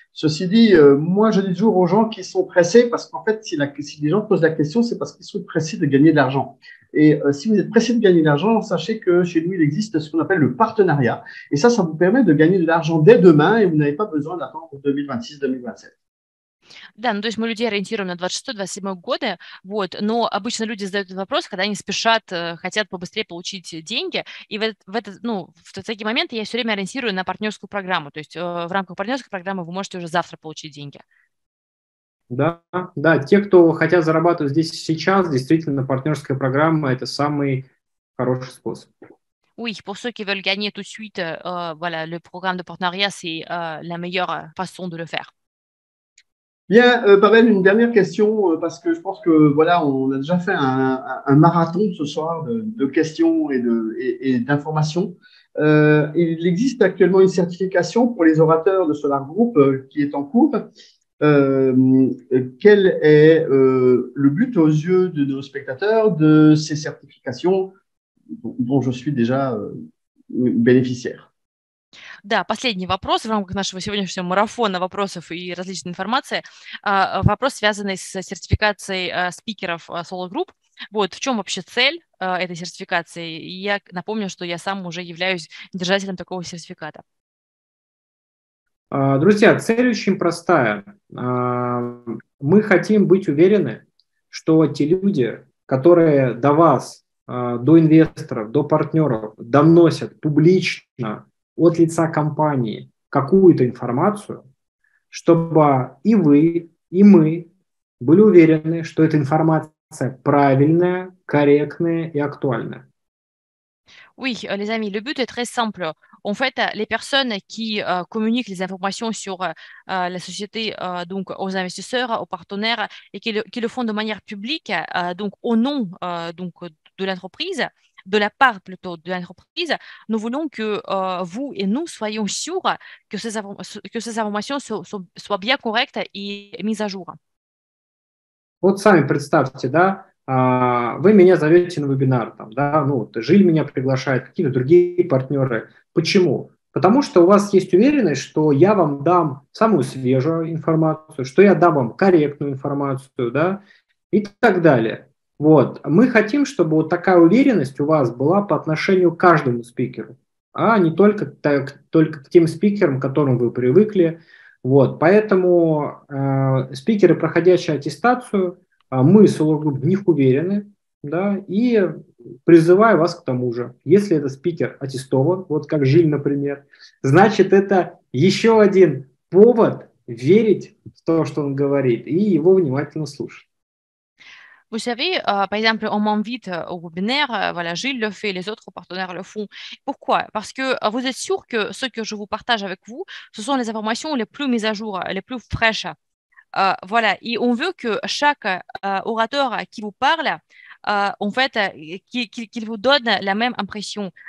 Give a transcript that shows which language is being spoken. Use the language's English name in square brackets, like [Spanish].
[French] Ceci dit, moi je dis toujours aux gens qui sont pressés, parce qu'en fait, si les gens posent la question, c'est parce qu'ils sont pressés de gagner de l'argent. Et si vous êtes pressé de gagner de l'argent, sachez que chez nous, il existe ce qu'on appelle le partenariat. Et ça, ça vous permet de gagner de l'argent dès demain et vous n'avez pas besoin d'attendre 2026-2027. [Russian] Да, ну, то есть мы людей ориентируем на 26-27 годы, вот, но обычно люди задают этот вопрос, когда они спешат, хотят побыстрее получить деньги. И в такие моменты я все время ориентирую на партнерскую программу. То есть в рамках партнерской программы вы можете уже завтра получить деньги. Да, да, те, кто хотят зарабатывать здесь сейчас, действительно, партнерская программа – это самый хороший способ. [French] Oui, pour ceux qui veulent gagner tout de suite, voilà, le programme de partenariat, c'est la meilleure façon de le faire. Bien, Pavel, une dernière question, parce que je pense que voilà, on a déjà fait un marathon ce soir de questions et d'informations. Il existe actuellement une certification pour les orateurs de Solar Group qui est en cours. Quel est le but aux yeux de nos spectateurs de ces certifications dont je suis déjà bénéficiaire? [Russian] Да, последний вопрос в рамках нашего сегодняшнего марафона вопросов и различной информации. Вопрос, связанный с сертификацией спикеров Solo Group. Вот, в чем вообще цель этой сертификации? И я напомню, что я сам уже являюсь держателем такого сертификата. Друзья, цель очень простая. Мы хотим быть уверены, что те люди, которые до вас, до инвесторов, до партнеров доносят публично от лица компании какую-то информацию, чтобы и вы, и мы были уверены, что эта информация правильная, корректная и актуальная. [French] Oui, les amis, le but est très simple. En fait, les personnes qui communiquent les informations sur la société donc aux investisseurs, aux partenaires, et qui le font de manière publique, donc au nom donc de l'entreprise, de la part plutôt de l'entreprise, nous voulons que vous et nous soyons sûrs que ces informations soient bien correctes et mises à jour. [Russian] Вот сами представьте, да, вы меня зовете на вебинар, там, да, ну, вот, Жиль меня приглашает, какие-то другие партнеры. Почему? Потому что у вас есть уверенность, что я вам дам самую свежую информацию, что я дам вам корректную информацию, да, и так далее. Вот. Мы хотим, чтобы вот такая уверенность у вас была по отношению к каждому спикеру, а не только, так, только к тем спикерам, к которым вы привыкли. Вот. Поэтому спикеры, проходящие аттестацию, мы в них уверены, да, и призываю вас к тому же. Если этот спикер аттестован, вот как Жиль, например, значит, это еще один повод верить в то, что он говорит, и его внимательно слушать. [French] Vous savez, par exemple, on m'invite au webinaire, voilà, Gilles le fait, les autres partenaires le font. Pourquoi? Parce que vous êtes sûr que ce que je vous partage avec vous, ce sont les informations les plus mises à jour, les plus fraîches. Voilà, et on veut que chaque orateur qui vous parle, en fait, qu'il vous donne la même impression.